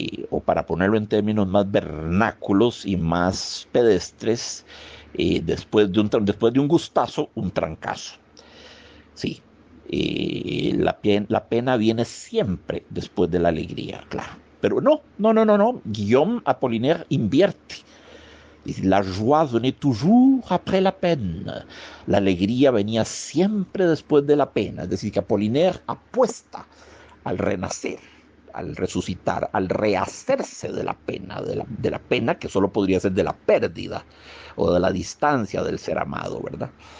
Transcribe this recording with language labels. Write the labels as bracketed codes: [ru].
[es] O para ponerlo en términos más vernáculos y más pedestres, después de un gustazo, un trancazo. Sí, la pena viene siempre después de la alegría, claro. Pero no, no, no, no, no. Guillaume Apollinaire invierte. [fr] Dice: La joie venait toujours après la peine. [es] La alegría venía siempre después de la pena. Es decir, que Apollinaire apuesta al renacer, al resucitar, al rehacerse de la pena, de la pena que solo podría ser de la pérdida o de la distancia del ser amado, ¿verdad?